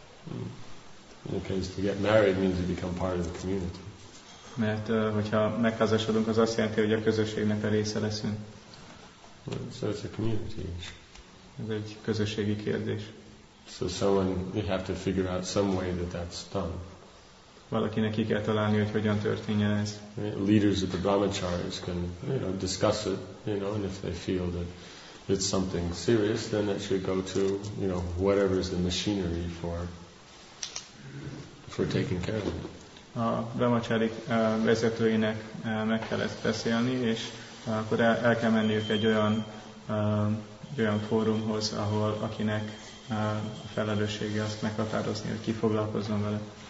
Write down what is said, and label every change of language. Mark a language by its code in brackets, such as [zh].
[en] In the case to get married means to become part of the community. [hu] Mert hogyha megházasodunk, az azt jelenti, hogy a közösségnek a része leszünk. [en] So it's a community issue. [hu] Ez egy közösségi kérdés. [en] So someone, you have to figure out some way that that's done. [hu] Valakinek ki kell találni, hogy hogyan történjen ez. [en] Leaders of the brahmacharis can, you know, discuss it, you know, and if they feel that it's something serious, then it should go to, you know, whatever is the machinery for taking care of it. [hu] A brahmacharik vezetőinek meg kell ezt beszélni, és akkor el kell menniük egy olyan fórumhoz, ahol akinek a felelőssége azt meghatározni, hogy ki foglalkozzon vele.